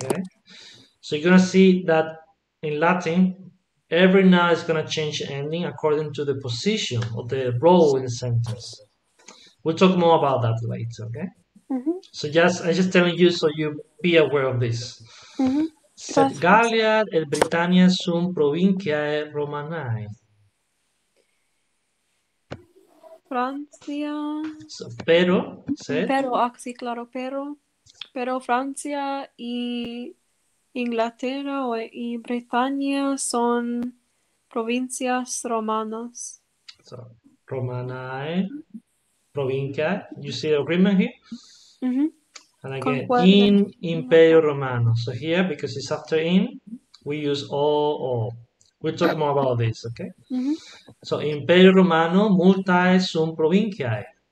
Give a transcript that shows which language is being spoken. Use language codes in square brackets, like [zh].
[en] Okay, so you're gonna see that in Latin, every noun is gonna change ending according to the position or the role in the sentence. We'll talk more about that later, okay? So just I'm just telling you so you be aware of this. [es] Gracias. [la] Septgallia et Britannia sunt provinciae Romanae. [es] Francia, So, pero, sed. pero, ah, sí, claro, pero Francia y Inglaterra y Bretaña son provincias romanas. [en] So, Romanae, provincia. You see the agreement here? And again, [es] Concuerdo. [la] in Imperio Romano. [en] So here, because it's after in, we use all. We'll talk more about this, okay? [la] So Imperio Romano, multae sunt provinciae.